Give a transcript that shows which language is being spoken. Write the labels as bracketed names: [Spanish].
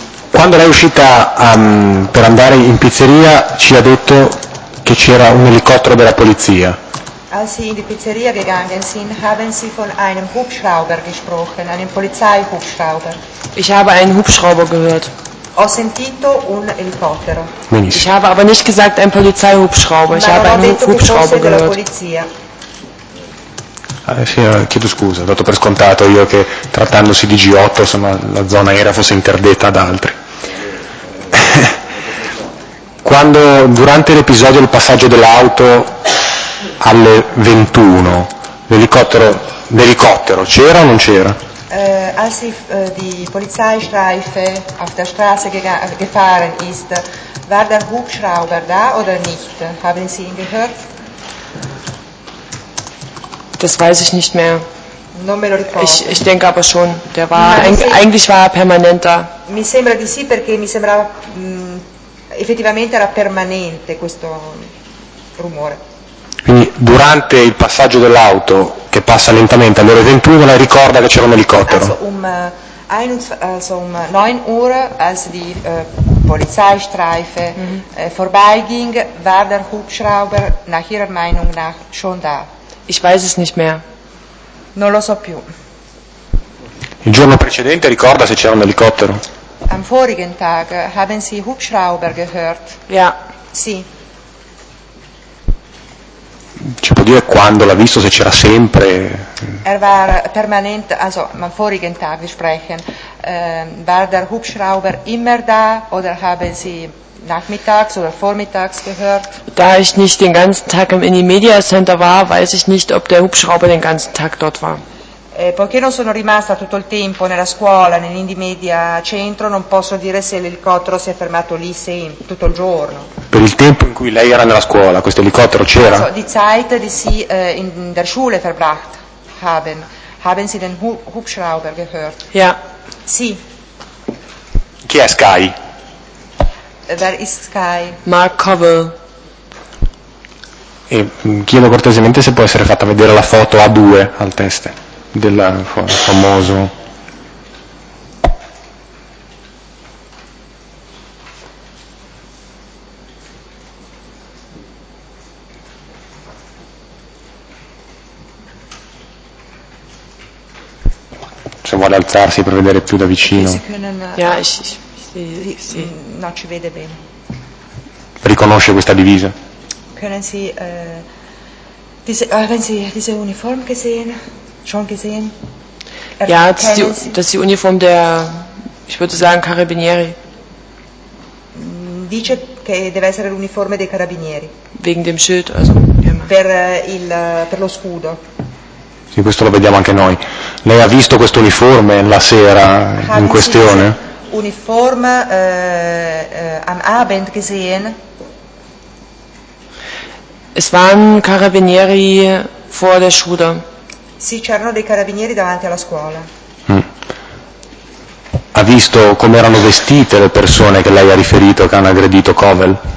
[Italian] Quando lei è uscita per andare in pizzeria ci ha detto che c'era un elicottero della polizia. [German] Als Sie in die Pizzeria gegangen sind, haben Sie von einem Hubschrauber gesprochen, einem Polizeihubschrauber. Ich habe einen Hubschrauber gehört. [Italian] Ho sentito un elicottero. Benissimo. [German] Ich habe aber nicht gesagt ein Polizeihubschrauber, ich habe einen Hubschrauber gehört. [Italian] Sì, chiedo scusa, ho dato per scontato io che trattandosi di G8 insomma, la zona aerea fosse interdetta ad altri. Quando, durante l'episodio del passaggio dell'auto alle 21, l'elicottero c'era o non c'era? [German] Als ich die Polizeistreife auf der Straße gefahren ist, war der Hubschrauber da oder nicht? Haben Sie ihn gehört? Das weiß ich nicht mehr. [Italian] Non me lo ricordo. [German] Ich denke aber schon, der war eigentlich war er permanent da. [Italian] Mi sembra di sì, perché mi sembrava effettivamente era permanente questo rumore. Quindi durante il passaggio dell'auto che passa lentamente alle ore 21 lei ricorda che c'era un elicottero. [German] Also um 9 Uhr als die Polizeistreife vorbeiging, war der Hubschrauber nach ihrer Meinung nach schon da. Ich weiß es nicht mehr. [Italian] Non lo so più. Il giorno precedente ricorda se c'era un elicottero? [German] Am vorigen Tag haben Sie Hubschrauber gehört? Ja. [Italian] Sì. Ci può dire quando l'ha visto, se c'era sempre? [German] Er war permanent, also am vorigen Tag, wir sprechen, war der Hubschrauber immer da oder haben Sie nachmittags oder vormittags gehört? Da ich nicht den ganzen Tag im Media Center war, weiß ich nicht, ob der Hubschrauber den ganzen Tag dort war. [Italian] Poiché non sono rimasta tutto il tempo nella scuola, nell'Indimedia Centro, non posso dire se l'elicottero si è fermato lì tutto il giorno. Per il tempo in cui lei era nella scuola, questo elicottero c'era? [German] Also, die Zeit, die Sie in der Schule verbracht haben, haben Sie den Hubschrauber gehört? Ja. Yeah. [Italian] Sì. Chi è Sky? [German] Wer ist Sky? Mark Covell. [Italian] E chiedo cortesemente se può essere fatta vedere la foto A2 al test. Del famoso. Se vuole alzarsi per vedere più da vicino. Sì. No, ci vede bene. Riconosce questa divisa? [German] Können Sie diese Uniform gesehen? Schon gesehen? Ja, das ist die Uniform der, ich würde sagen, Carabinieri. [Italian] Dice che deve essere l'uniforme dei Carabinieri. [German] Wegen dem Schild, also. [Italian] Per lo scudo. Sì, questo lo vediamo anche noi. Lei ha visto questo uniforme la sera in questione? [German] Uniforme am Abend gesehen? Es waren Carabinieri vor der Schule. [Italian] Sì, c'erano dei carabinieri davanti alla scuola. Ha visto come erano vestite le persone che lei ha riferito che hanno aggredito Covell?